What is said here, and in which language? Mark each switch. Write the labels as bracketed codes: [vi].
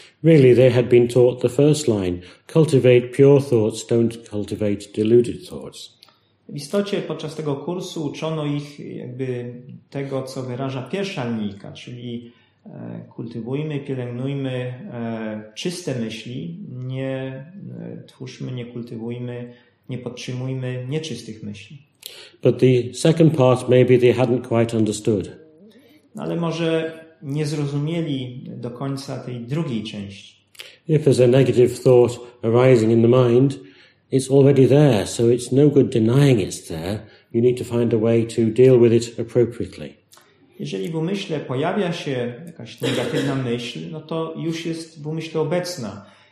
[en] Really, they had been taught the first line, cultivate pure thoughts, don't cultivate deluded thoughts. [pl] W istocie podczas tego kursu uczono ich jakby tego, co wyraża pierwsza linijka, czyli kultywujmy, pielęgnujmy czyste myśli, nie twórzmy, nie kultywujmy, nie podtrzymujmy nieczystych myśli. [en] But the second part maybe they hadn't quite understood. [pl] Ale może nie zrozumieli do końca tej drugiej części. [en] If there's a negative thought arising in the mind, it's already there, so it's no good denying it's there. You need to find a way to deal with it appropriately. [pl] Jeżeli w umyśle pojawia się jakaś negatywna myśl, no to już jest w umyśle obecna.